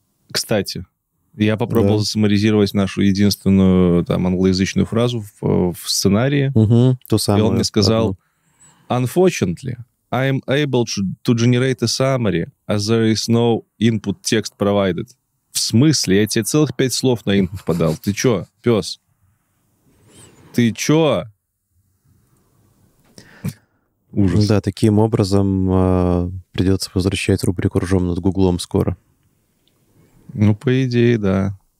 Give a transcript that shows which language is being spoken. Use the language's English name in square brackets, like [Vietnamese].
[Russian] Кстати... Я попробовал засуммаризировать нашу единственную там англоязычную фразу в сценарии. То самое. И он мне сказал, [English] unfortunately, I'm able to generate a summary as there is no input text provided. [Russian] В смысле? Я тебе целых 5 слов на input подал. Ты чё, пёс? Ты чё? Ужас. Да, таким образом придется возвращать рубрику «Ржем над Гуглом» скоро. Ну, по идее, да.